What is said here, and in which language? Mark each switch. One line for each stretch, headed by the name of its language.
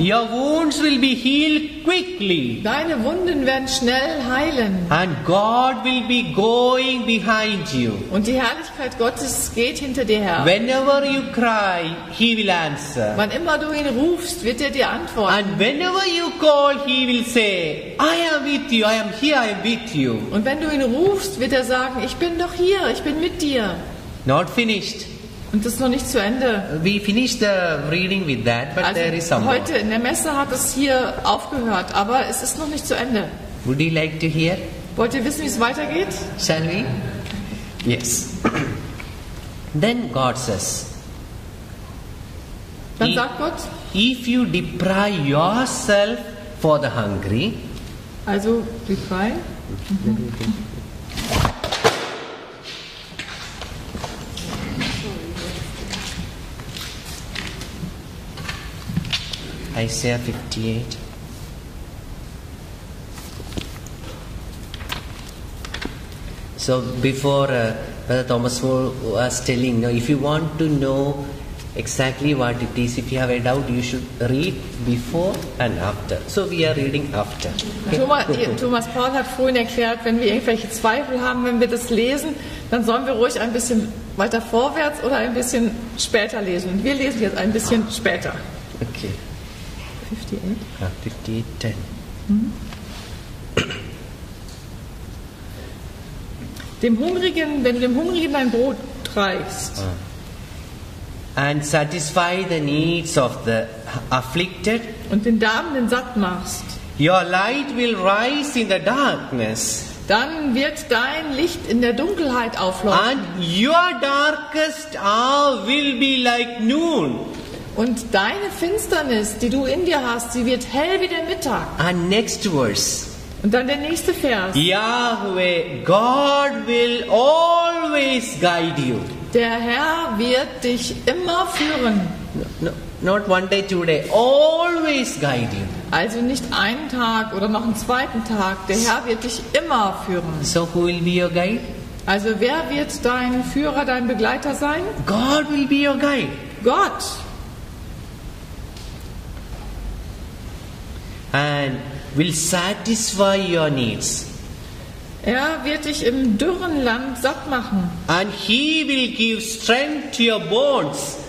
English: Your wounds will be healed quickly.
German: Deine Wunden werden schnell heilen.
English: And God will be going behind you.
German: Und die Herrlichkeit Gottes geht hinter dir her.
English: Whenever you cry, he will answer.
German: Wann immer du ihn rufst, wird er dir antworten.
English: And whenever you call, he will say, I am with you, I am here, I am with you.
German: Und wenn du ihn rufst, wird er sagen, ich bin doch hier, ich bin mit dir.
English: Not finished.
German: Und das ist noch nicht zu Ende.
English: We finished the reading with that, but
German: also
English: there is some
German: heute in der Messe hat es hier aufgehört, aber es ist noch nicht zu Ende.
English: Would you like to hear?
German: Wollt ihr wissen, wie es weitergeht?
English: Shall we? Yes. Then God says.
German: Dann sagt Gott.
English: If you deprive yourself for the hungry. Also deprive. Isaiah 58. So before Brother Thomas was telling, you know, if you want to know exactly what it is, if you have a doubt, you should read before and after. So we are reading after.
German: Thomas Paul hat vorhin erklärt, wenn wir irgendwelche Zweifel haben, wenn wir das lesen, dann sollen wir ruhig ein bisschen weiter vorwärts oder ein bisschen später lesen. Und wir lesen jetzt ein bisschen später.
English: Okay. 58.
German: Dem Hungrigen, wenn du dem Hungrigen dein Brot reichst.
English: And satisfy the needs of the afflicted.
German: Und den Darmenden satt machst.
English: Your light will rise in the darkness.
German: Dann wird dein Licht in der Dunkelheit aufleuchten.
English: And your darkest hour will be like noon.
German: Und deine Finsternis, die du in dir hast, sie wird hell wie der Mittag.
English: And next verse.
German: Und dann der nächste Vers.
English: Yahweh, God will always guide you.
German: Der Herr wird dich immer führen.
English: Not one day, two day, always guide you.
German: Also nicht einen Tag oder noch einen zweiten Tag. Der Herr wird dich immer führen.
English: So who will be your guide?
German: Also wer wird dein Führer, dein Begleiter sein?
English: God will be your guide.
German: Gott.
English: And will satisfy your needs.
German: Er wird dich im dürren Land satt machen.
English: And he will give strength to your bones.